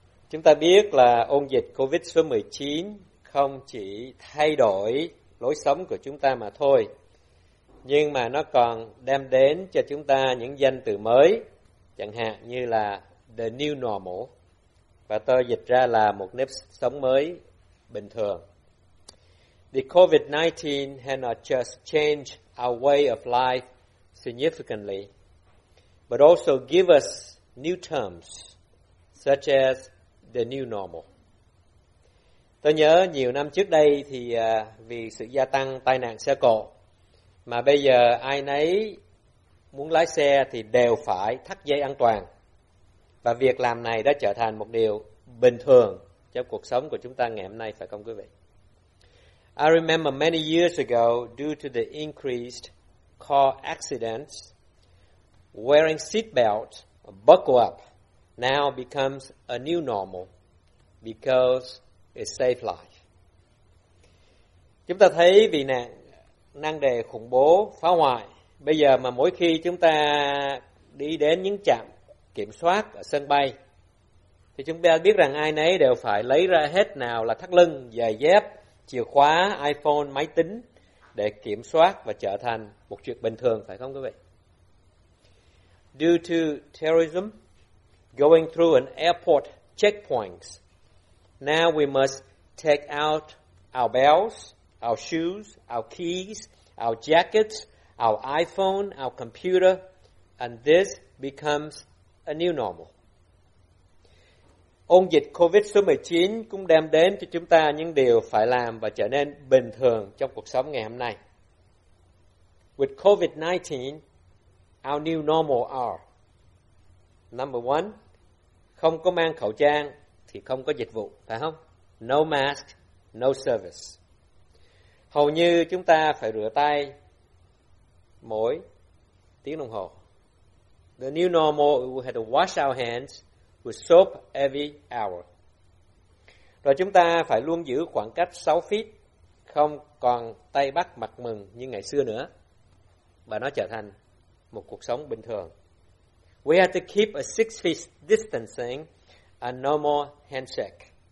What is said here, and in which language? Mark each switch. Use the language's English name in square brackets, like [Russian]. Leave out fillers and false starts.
[Vietnamese] Chúng ta biết là ôn dịch COVID số 19 không chỉ thay đổi lối sống của chúng ta mà thôi, nhưng mà nó còn đem đến cho chúng ta những danh từ mới, chẳng hạn như là the new normal, và tôi dịch ra là một nếp sống mới bình thường. [English] The COVID-19 has not just changed our way of life significantly, but also give us new terms such as the new normal. [Vietnamese] Tôi nhớ nhiều năm trước đây thì vì sự gia tăng tai nạn xe cộ, mà bây giờ ai nấy muốn lái xe thì đều phải thắt dây an toàn. Và việc làm này đã trở thành một điều bình thường trong cuộc sống của chúng ta ngày hôm nay, phải không quý vị? [English] I remember many years ago, due to the increased car accidents, wearing seatbelt, buckle up, now becomes a new normal because it saves life. [Vietnamese] Chúng ta thấy vì năng đề khủng bố, phá hoại, bây giờ mà mỗi khi chúng ta đi đến những trạm kiểm soát ở sân bay thì chúng ta biết rằng ai nấy đều phải lấy ra hết, nào là thắt lưng, giày dép, chìa khóa, iPhone, máy tính để kiểm soát, và trở thành một chuyện bình thường, phải không quý vị? [English] Due to terrorism, going through an airport checkpoints, now we must take out our belts, our shoes, our keys, our jackets, our iPhone, our computer, and this becomes a new normal. [Vietnamese] Ôn dịch COVID số 19 cũng đem đến cho chúng ta những điều phải làm và trở nên bình thường trong cuộc sống ngày hôm nay. [English] With COVID-19, our new normal are: Number one, [Vietnamese] không có mang khẩu trang thì không có dịch vụ, phải không? [English] No mask, no service. [Vietnamese] Hầu như chúng ta phải rửa tay mỗi tiếng đồng hồ. [English] The new normal, we had to wash our hands with soap every hour. [Vietnamese] Rồi chúng ta phải luôn giữ khoảng cách 6 feet, không còn tay bắt mặt mừng như ngày xưa nữa. Và nó trở thành một cuộc sống bình thường. [English] We have to keep a 6 feet distancing and no more handshake.